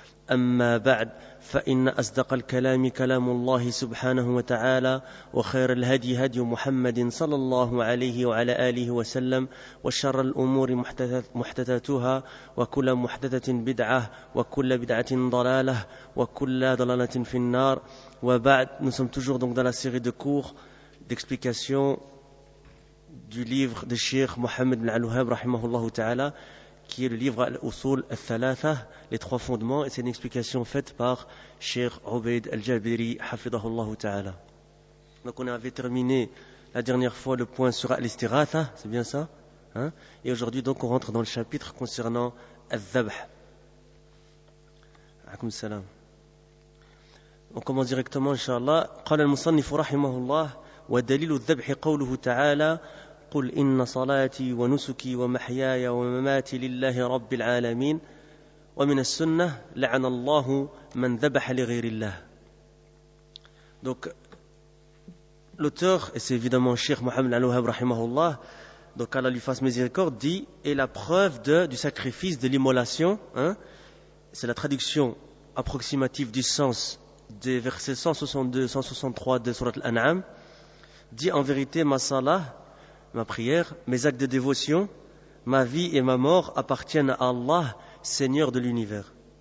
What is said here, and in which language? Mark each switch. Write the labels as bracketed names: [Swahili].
[Arabic] أما بعد، فإن أصدق الكلام كلام الله سبحانه وتعالى، وخير الهدي هدي محمد صلى الله عليه وعلى آله وسلم، وشر الأمور محدثاتها، وكل محدثة بدعة، وكل بدعة ضلالة، وكل ضلالة في النار. وبعد، [French] nous sommes toujours donc dans la série de cours d'explication du livre de Sheikh Mohammed Al-Wahhab rahimahullah ta'ala, qui est le livre Al-Usul Al-Thalatha, les trois fondements, et c'est une explication faite par Cheikh Obeid Al-Jabiri, hafidahullahu ta'ala. Donc on avait terminé la dernière fois le point sur Al-Istighatha, c'est bien ça hein? Et aujourd'hui donc on rentre dans le chapitre concernant Al-Dhabh. A'akum salam. On commence directement, inshallah. [Arabic] Qala al-musannifu rahimahullah, wa dalilu al-dhabh qawluhu ta'ala, قل إن صلاتي ونسكي ومحياي ومماتي لله رب العالمين ومن السنة لعن الله من ذبح لغير الله. [French] Donc l'auteur, et c'est évidemment Cheikh Mohammed Al-Wahhab rahimahullah, donc Allah lui fasse miséricorde, dit: et la preuve du sacrifice de l'immolation, hein, c'est la traduction approximative du sens des versets 162-163 de sourate Al-An'am, dit: en vérité, ma salah, ma prière, mes actes de dévotion, ma vie et ma mort appartiennent à Allah, Seigneur de l'univers.